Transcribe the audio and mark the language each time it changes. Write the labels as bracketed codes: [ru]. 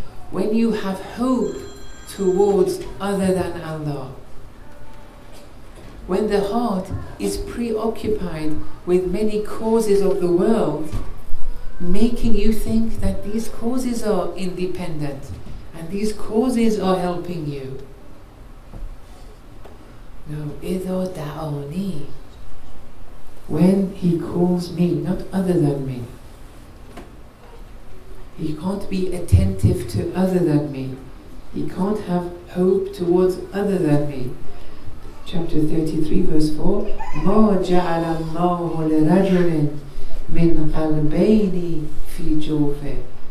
[en] When you have hope towards other than Allah. When the heart is preoccupied with many causes of the world, making you think that these causes are independent and these causes are helping you. [ar] No, إِذَا دَعَانِي. [en] When he calls me, not other than me. He can't be attentive to other than me. He can't have hope towards other than me. Chapter 33, verse 4. [ar] مَا جَعَلَ اللَّهُ لِرَجُلٍ مِنْ قَلْبَيْنِ فِي جَوْفِهِ.